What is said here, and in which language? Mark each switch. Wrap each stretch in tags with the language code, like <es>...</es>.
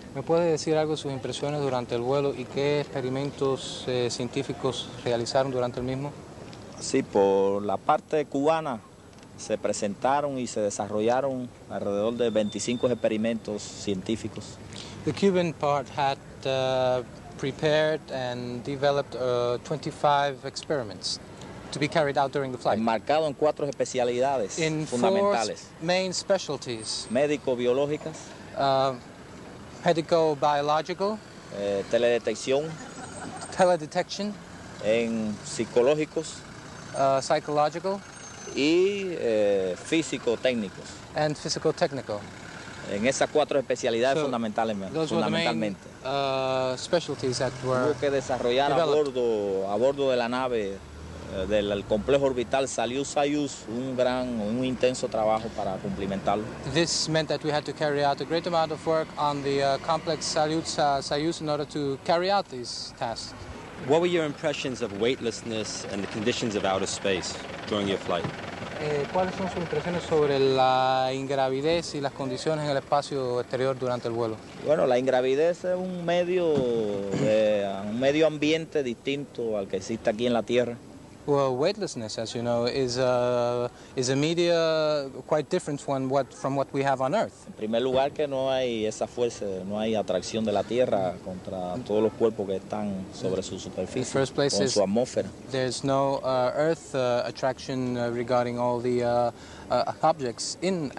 <es>¿Me puede decir algo sus impresiones durante el vuelo y qué experimentos científicos realizaron durante el mismo? Sí, por la parte cubana se presentaron y se desarrollaron alrededor de 25 experimentos científicos.</es> <en>The Cuban part had prepared and developed 25 experiments to be carried out during the flight.</en> <es>Enmarcado en cuatro especialidades</es> <en>in</en> <es>fundamentales.</es> <en>Four main specialties.</en> <es>Médico-biológicas.</es> <en>Médico-biological.</en> <es>Teledetección.</es> <en>Teledetection.</en> <es>En psicológicos.</es> <en>Psychological.</en> <es>Y físico-técnicos.</es> <en>And physical-technical.</en> <es>En esas cuatro especialidades so fundamentales, fundamentalmente.</es> <en>Those were the main, specialties that were</en> <es>Hubo que desarrollar</es> <en>developed.</en> <es>A bordo de la nave del complejo orbital salió Sojus, un gran, un intenso trabajo para cumplimentarlo.</es> <en>This meant that we had to carry out a great amount of work on the complex Sojus in order to carry out these tasks. What were your impressions of weightlessness and the conditions of outer space during your flight?</en> <es>¿Cuáles son sus impresiones sobre la ingravidez y las condiciones en el espacio exterior durante el vuelo? Bueno, la ingravidez es un medio, un medio ambiente distinto al que existe aquí en la Tierra.</es> <en>Well, weightlessness, as you know, is a media quite different from what we have on Earth.</en> <es>En primer lugar, que no hay esa fuerza, no hay atracción de la Tierra contra todos los cuerpos que están sobre su superficie,</es> <en>first place</en> <es>con su atmósfera.</es> <en>There's no Earth attraction regarding all the objects in</en>